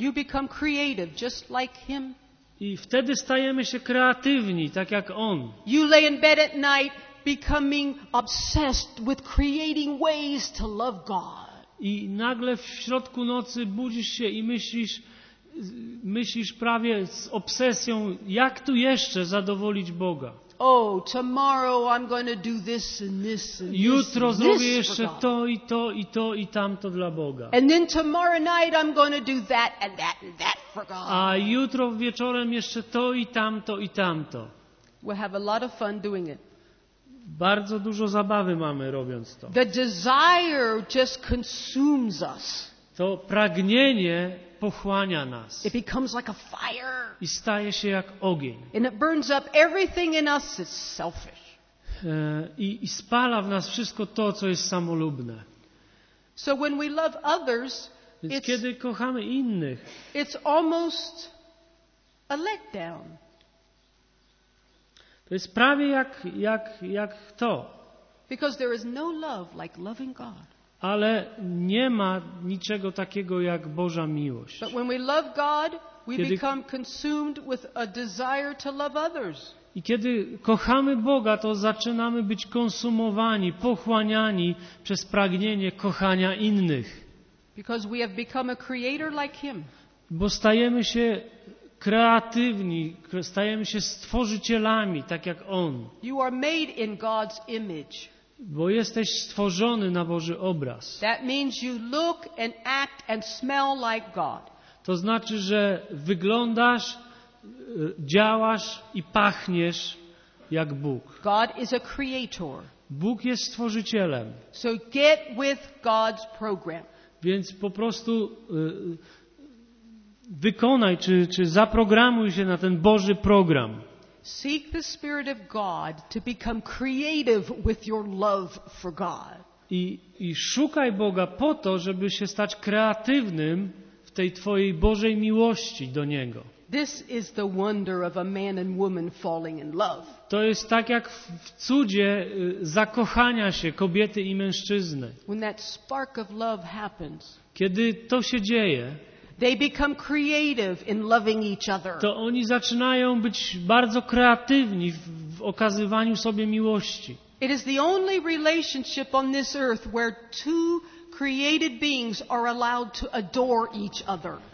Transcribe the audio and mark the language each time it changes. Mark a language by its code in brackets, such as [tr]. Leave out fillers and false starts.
[en] You become creative just like Him. [pl] I wtedy stajemy się kreatywni, tak jak On. [en] You lay in bed at night becoming obsessed with creating ways to love God. [pl] I nagle w środku nocy budzisz się i myślisz prawie z obsesją, jak tu jeszcze zadowolić Boga. [en] Oh, tomorrow I'm going to do this and this and this. [pl] Jutro zrobię jeszcze to i to i to i tamto dla Boga. [en] And then tomorrow night I'm going to do that and that and that for God. [pl] A jutro wieczorem jeszcze to i tamto i tamto. [en] We have a lot of fun doing it. [pl] Bardzo dużo zabawy mamy robiąc to. [en] The desire just consumes us. [pl] To pragnienie pochłania nas. [en] It becomes like a fire. [pl] I staje się jak ogień. [en] And it burns up everything in us is selfish. [pl] I spala w nas wszystko to, co jest samolubne. [en] So when we love others, [pl] więc kiedy kochamy innych, [en] it's almost a letdown. [pl] To jest prawie jak to. [en] Because there is no love like loving God. [pl] Ale nie ma niczego takiego jak Boża miłość. [en] But when we love God, we become consumed with a desire to love others. [pl] I kiedy kochamy Boga, to zaczynamy być konsumowani, pochłaniani przez pragnienie kochania innych. [en] Because we have become a creator like Him. [pl] Bo stajemy się kreatywni, stajemy się stworzycielami, tak jak On. [en] You are made in God's image. [pl] Bo jesteś stworzony na Boży obraz. [en] That means you look and act and smell like God. [pl] To znaczy, że wyglądasz, działasz i pachniesz jak Bóg. [en] God is a creator. [pl] Bóg jest stworzycielem. [en] So get with God's program. [pl] Więc po prostu wykonaj, czy zaprogramuj się na ten Boży program. [en] Seek the Spirit of God to become creative with your love for God. [pl] I szukaj Boga po to, żeby się stać kreatywnym w tej Twojej Bożej miłości do Niego. [en] This is the wonder of a man and woman falling in love. [pl] To jest tak jak w cudzie zakochania się kobiety i mężczyzny. [en] When that spark of love happens, [pl] kiedy to się dzieje, [en] they become creative in loving each other. [pl] To oni zaczynają być bardzo kreatywni w okazywaniu sobie miłości. [en] It is the only relationship on this earth where two created beings are allowed to adore each other.